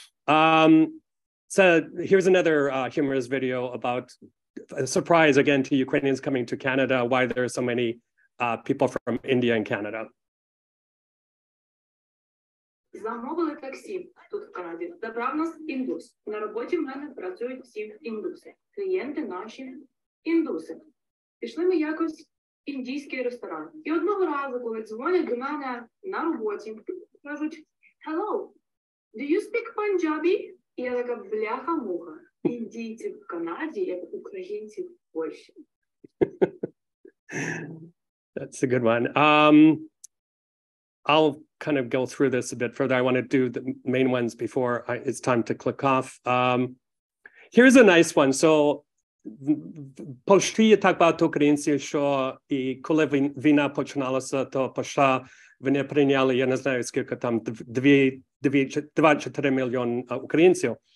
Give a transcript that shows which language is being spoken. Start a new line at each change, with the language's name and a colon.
English: So here's another humorous video about a surprise again to Ukrainians coming to Canada, why there are so many people from India and Canada.
Ukrainian: Замовили таксі тут в Канаді. Забрав нас індус. На роботі в мене працюють всі індуси. Клієнти наші індуси. Пішли ми якось індійський ресторан. І одного разу, коли дзвонять до мене на роботі, кажуть:
English: «Hello, do you speak Punjabi?»
Ukrainian: І я така: «Бляха-муха, індійці в Канаді, як українці в Польщі».
English: That's a good one. I'll kind of go through this a bit further. I want to do the main ones before it's time to click off. Here's a nice one.
Ukrainian: So Польщі є так багато українців, що і коли війна починалася, то Польща вони прийняли, я не знаю, скільки там, 2-4 мільйони українців.